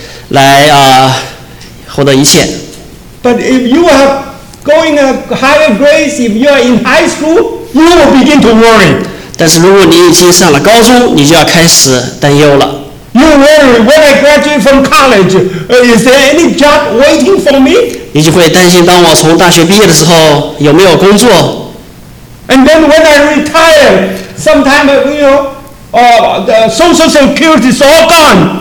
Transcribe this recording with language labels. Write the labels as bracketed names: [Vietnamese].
[Chinese] 因为他们依靠他们的父母来获得一切。 [English] But if you are going a higher grade, if you are in high school, you will begin to worry. [Chinese] 但是如果你已经上了高中，你就要开始担忧了。 [English] You worry when I graduate from college, is there any job waiting for me? [Chinese] 你就会担心，当我从大学毕业的时候，有没有工作？ [English] And then when I retire, sometime you know, the social security is all gone.